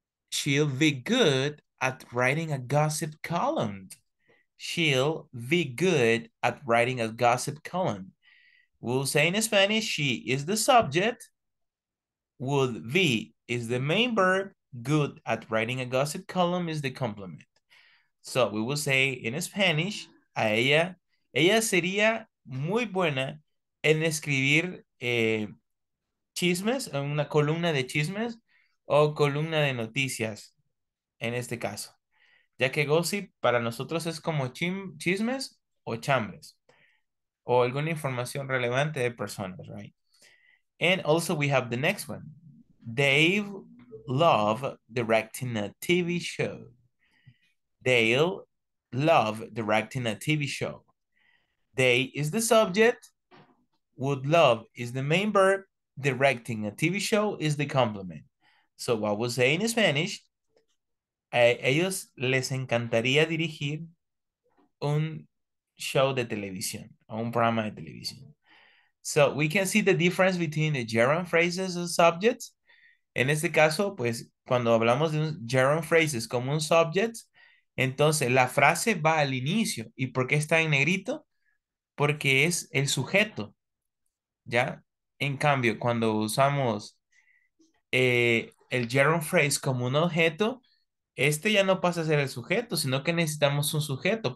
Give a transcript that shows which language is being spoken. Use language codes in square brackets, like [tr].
[en] She'll be good at writing a gossip column. She'll be good at writing a gossip column. We'll say in Spanish, she is the subject. Would be is the main verb. Good at writing a gossip column is the complement. So we will say in Spanish, [es] a ella, ella sería muy buena en escribir chismes, en una columna de chismes o columna de noticias, en este caso. Ya que gossip para nosotros es como chismes o chambres. O alguna información relevante de personas, [en] right? [es] And also we have the next one. [en] They love directing a TV show. They'll love directing a TV show. They is the subject. Would love is the main verb. Directing a TV show is the complement. So what we'll say in Spanish, [es] a ellos les encantaría dirigir un show de televisión, [en] un programa de televisión. So we can see the difference between the gerund phrases and subjects. [es] En este caso, pues, cuando hablamos de un gerund phrases como un subject, entonces la frase va al inicio. ¿Y por qué está en negrito? Porque es el sujeto, ¿ya? En cambio, cuando usamos el gerund phrase como un objeto, este ya no pasa a ser el sujeto, sino que necesitamos un sujeto.